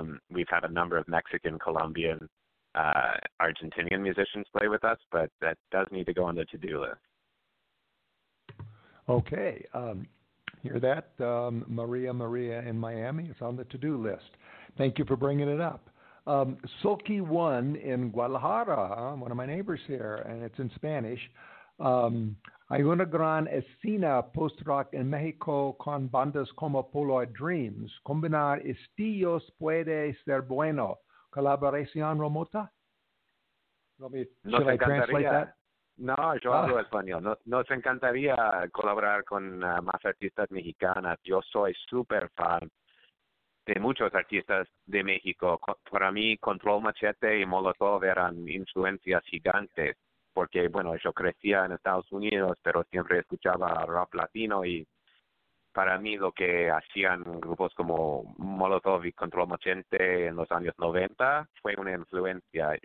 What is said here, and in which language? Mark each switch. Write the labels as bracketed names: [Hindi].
[English] We've had a number of Mexican, Colombian, Argentinian musicians play with us, but that does need to go on the to-do list. Okay. Hear that? Maria Maria in Miami. It's on the to-do list. Thank you for bringing it up. Silky One in Guadalajara, one of my neighbors here, and it's in Spanish. [Spanish] Hay una gran escena post-rock en México con bandas como Polaroid Dreams. Combinar estilos puede ser bueno. Colaboración remota? [English] Should I translate that? [Spanish] No, yo hablo español. Nos encantaría colaborar con más artistas mexicanas. Yo soy super fan de muchos artistas de México. Para mí, Control Machete y Molotov eran influencias gigantes, porque, bueno, yo crecía en Estados Unidos, pero siempre escuchaba rap latino, y para mí lo que hacían grupos como Molotov y Control Machete en los años 90 fue una influencia.